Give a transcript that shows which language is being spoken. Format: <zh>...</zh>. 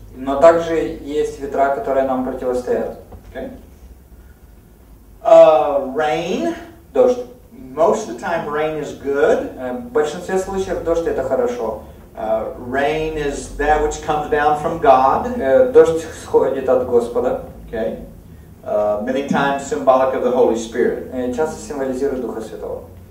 <ru>Но также есть ветра, которые нам противостоят.</ru> <en>Okay. Rain.</en> <ru>Дождь.</ru> <en>Most of the time, rain is good.</en> <ru>В большинстве случаев дождь это хорошо.</ru> <en>Rain is that which comes down from God.</en> <ru>Дождь сходит от Господа.</ru> <en>Okay. Many times symbolic of the Holy Spirit.</en> <ru>Часто символизирует Духа Святого.</ru>